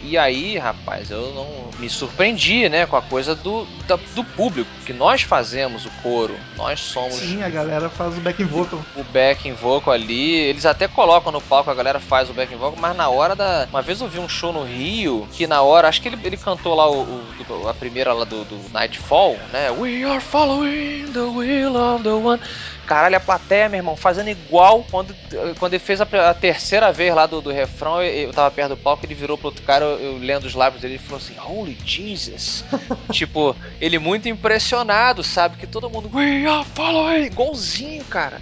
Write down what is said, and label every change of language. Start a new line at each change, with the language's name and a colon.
Portuguese: E aí, rapaz, eu não me surpreendi, né, com a coisa do público, que nós fazemos o coro, nós somos... Sim, a galera faz o backing vocal. O backing vocal ali, eles até colocam no palco, a galera faz o backing vocal, mas na hora da... Uma vez eu vi um show no Rio, que na hora, acho que ele cantou lá a primeira lá do Nightfall, né?
English: We are following the will of the one...
Portuguese: Caralho, a plateia, meu irmão, fazendo igual quando ele fez a terceira vez lá do refrão, eu tava perto do palco, ele virou pro outro cara, eu lendo os lábios dele e falou assim,
English: Holy Jesus.
Portuguese: Tipo, ele muito impressionado, sabe, que todo mundo,
English: we are following,
Portuguese: igualzinho, cara.